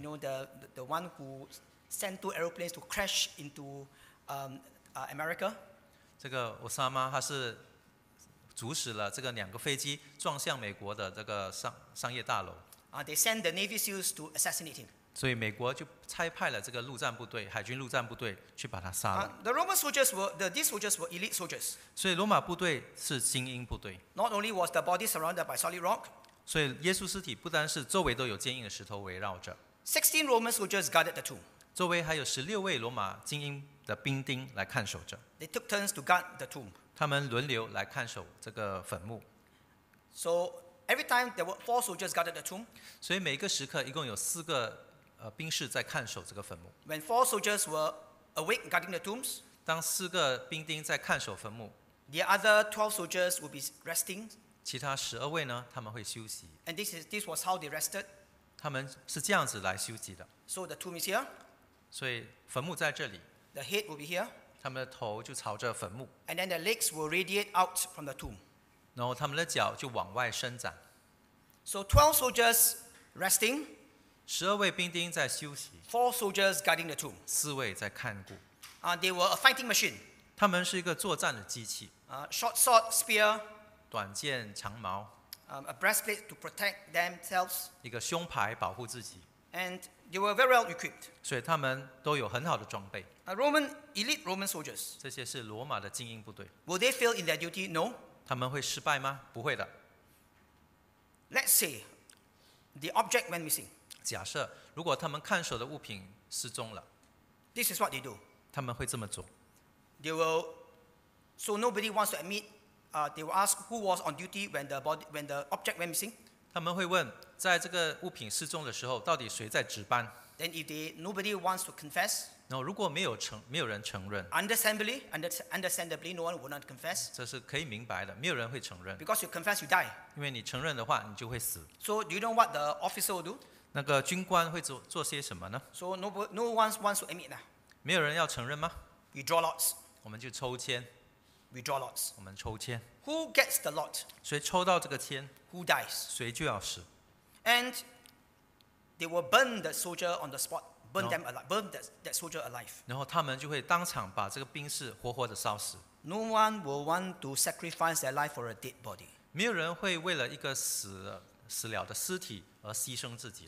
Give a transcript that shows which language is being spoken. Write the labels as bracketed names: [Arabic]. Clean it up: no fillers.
[English] You know the one who sent two aeroplanes to crash into America. [Chinese] 这个奥萨马他是阻止了这个两个飞机撞向美国的这个商业大楼。 [English] They send the Navy SEALs to assassinate him. [Chinese] 所以美国就差派了这个陆战部队，海军陆战部队去把他杀了。 [English] The Roman soldiers were these soldiers were elite soldiers. [Chinese] 所以罗马部队是精英部队。 [English] Not only was the body surrounded by solid rock. [Chinese] 所以耶稣尸体不单是周围都有坚硬的石头围绕着。 [English] 16 Roman soldiers guarded the tomb. [Chinese] 周围还有16位罗马精英。的兵丁来看守着。 [English] They took turns to guard the tomb. [Chinese] 他们轮流来看守这个坟墓。 [English] So every time there were four soldiers guarded the tomb. [Chinese] 所以每一个时刻一共有四个兵士在看守这个坟墓。 [English] When four soldiers were awake guarding the tombs. [Chinese] 当四个兵丁在看守坟墓。 [English] The other 12 soldiers would be resting. [Chinese] 其他十二位呢，他们会休息。 [English] And this was how they rested. [Chinese] 他们是这样子来休息的。 [English] So the tomb is here. [Chinese] 所以坟墓在这里。 [English] The head will be here. [Chinese] 他们的头就朝着坟墓。 [English] And then the legs will radiate out from the tomb. [Chinese] 然后他们的脚就往外伸展。 [English] So 12 soldiers resting. [Chinese] 十二位兵丁在休息。 [English] Four soldiers guarding the tomb. [Chinese] 四位在看顾。 [English] They were a fighting machine. [Chinese] 他们是一个作战的机器。 [English] Short sword, spear. [Chinese] 短剑、长矛。 [English] A breastplate to protect themselves. [Chinese] 一个胸牌保护自己。 [English] And they were very well equipped. [Chinese] 所以他们都有很好的装备。 [English] Roman elite Roman soldiers. [Chinese] 这些是罗马的精英部队。 [English] Will they fail in their duty? No. [Chinese] 他们会失败吗？不会的。 [English] Let's say the object went missing. [Chinese] 假设如果他们看守的物品失踪了。 [English] This is what they do. [Chinese] 他们会这么做。 [English] So nobody wants to admit. They will ask who was on duty when the object went missing. [Chinese] 他们会问，在这个物品失踪的时候，到底谁在值班？ [English] Then if nobody wants to confess. [Chinese] No, 如果没有人承认 [English] understandably, no one will not confess. [Chinese] 这是可以明白的，没有人会承认。 [English] Because you confess, you die. [Chinese] 因为你承认的话，你就会死。 [English] So, do you know what the officer will do? [Chinese] 那个军官会做些什么呢？ [English] So, no one wants to admit that. [Chinese] 没有人要承认吗？ [English] We draw lots. [Chinese] 我们就抽签。 [English] We draw lots. [Chinese] 我们抽签。 [English] Who gets the lot? [Chinese] 谁抽到这个签？ [English] Who dies? [Chinese] 谁就要死。 [English] And they will burn the soldier on the spot. Burn them alive. Burn that soldier alive. [Chinese] 然后他们就会当场把这个兵士活活的烧死。 [English] No one will want to sacrifice their life for a dead body. [Chinese] 没有人会为了一个死了的尸体而牺牲自己。